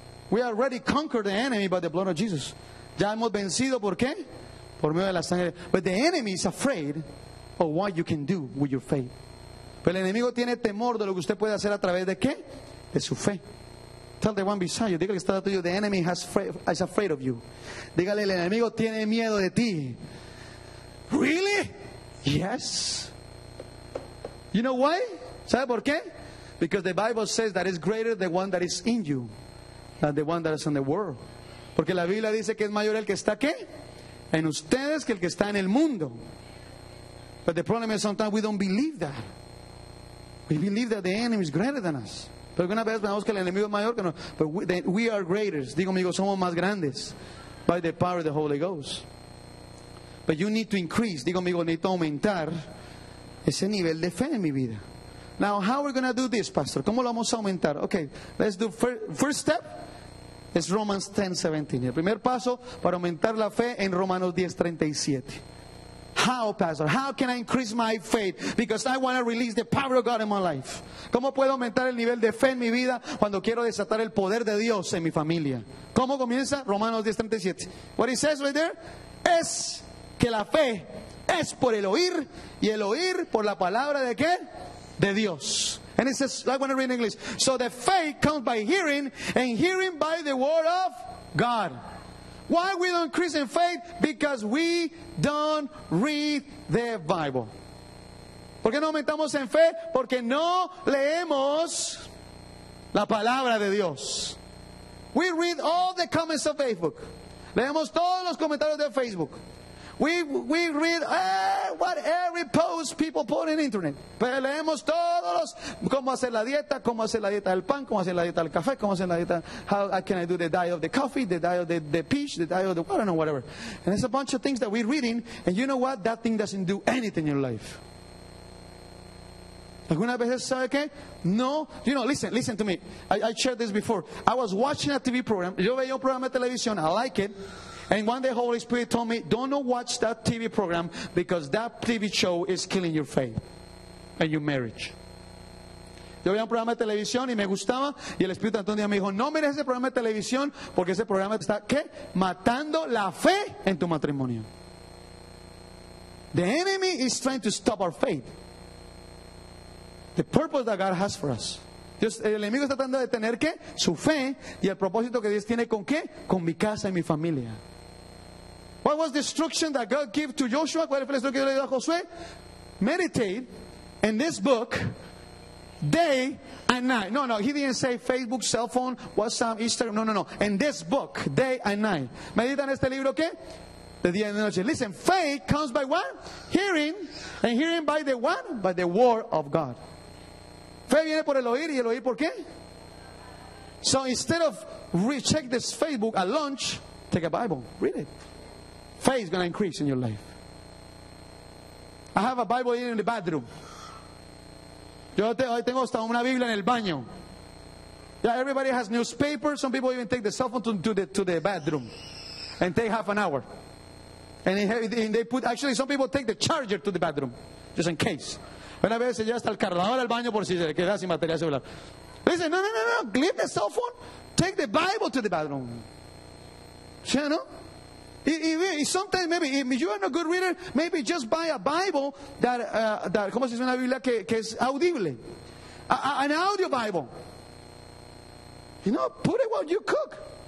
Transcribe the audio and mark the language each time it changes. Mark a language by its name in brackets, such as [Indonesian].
[English] We already conquered the enemy by the blood of Jesus. [Spanish] Ya hemos vencido, ¿por qué? Por medio de la sangre. [English] But the enemy is afraid of what you can do with your faith. [Spanish] Pero el enemigo tiene temor de lo que usted puede hacer a través de qué? De su fe. [English] Tell the one beside you. [Spanish] Dígale que está a tuyo. [English] The enemy is afraid of you. [Spanish] Dígale, el enemigo tiene miedo de ti. [English] Really? Yes. You know why? [Spanish] ¿Sabe por qué? [English] Because the Bible says that is greater the one that is in you than the one that is in the world. [Spanish] Porque la Biblia dice que es mayor el que está ¿qué? En ustedes que el que está en el mundo. [English] But the problem is sometimes we don't believe that. We believe that the enemy is greater than us. [Spanish] Pero una vez pensamos que el enemigo es mayor que nosotros. [English] But we are greater. [Spanish] Digo, amigos, somos más grandes [English] by the power of the Holy Ghost. But you need to increase. [Spanish] Digo, amigo, necesito aumentar ese nivel de fe en mi vida. [English] Now, how are we going to do this, Pastor? [Spanish] ¿Cómo lo vamos a aumentar? [English] Okay, let's do first step is Romans 10:17. [Spanish] El primer paso para aumentar la fe en Romanos 10:37. [English] How, Pastor? How can I increase my faith? Because I want to release the power of God in my life. [Spanish] ¿Cómo puedo aumentar el nivel de fe en mi vida cuando quiero desatar el poder de Dios en mi familia? ¿Cómo comienza? Romanos 10:37. [English] What it says right there [Spanish] es que la fe es por el oír, y el oír por la palabra de ¿qué? De Dios. [English] And it says, I want to read in English. So the faith comes by hearing, and hearing by the word of God. Why we don't increase in faith? Because we don't read the Bible. [Spanish] ¿Por qué no aumentamos en fe? Porque no leemos la palabra de Dios. [English] We read all the comments of Facebook. [Spanish] Leemos todos los comentarios de Facebook. [English] We read what every post people put in the internet. [Spanish] Pero leemos todos los cómo hacer la dieta del pan, cómo hacer la dieta del café, cómo hacer la dieta. [English] How can I do the diet of the coffee, the diet of the peach, the diet of the, I don't know, whatever. And it's a bunch of things that we're reading. And you know what? That thing doesn't do anything in your life. [Spanish] Algunas veces, ¿sabe qué? [English] No, you know, listen to me. I shared this before. I was watching a TV program. [Spanish] Yo veía un programa de televisión. [English] I like it. And one day the Holy Spirit told me, "Don't watch that TV program because that TV show is killing your faith and your marriage." [Spanish] Yo veía un programa de televisión y me gustaba, y el Espíritu Santo un día me dijo, "No mires ese programa de televisión porque ese programa está ¿qué? Matando la fe en tu matrimonio." [English] The enemy is trying to stop our faith. The purpose that God has for us. [Spanish] Dios, el enemigo está tratando de tener ¿qué? Su fe, y el propósito que Dios tiene ¿con qué? Con mi casa y mi familia. What was the instruction that God gave to Joshua? ¿Cuál fue la instrucción que Dios le dio a Josué? [English] Meditate in this book day and night. No, no, he didn't say Facebook, cell phone, WhatsApp, Instagram. No, no, no. And this book, day and night. [Spanish] Medita en este libro, ¿qué? De día y de noche. [English] Listen, faith comes by what? Hearing. And hearing by the what? By the word of God. [Spanish] Fe viene por el oír, y el oír por qué? [English] So instead of recheck this Facebook at lunch, take a Bible, read it. Faith is going to increase in your life. I have a Bible here in the bathroom. [Spanish] Yo tengo hasta una Biblia en el baño. [English] Yeah, everybody has newspapers. Some people even take the cell phone to the bathroom and take half an hour. And some people take the charger to the bathroom, just in case. [Spanish] Una vez se lleva hasta el cargador al baño por si se queda sin batería celular. [English] Dice, no, no, no, no, leave the cell phone, take the Bible to the bathroom. [Spanish] ¿Sí, no? [English] Y sometimes maybe if you are not a good reader, maybe just buy a Bible that [Spanish] ¿cómo se dice una Biblia que es audible? [English] An audio Bible. You know, put it while you cook.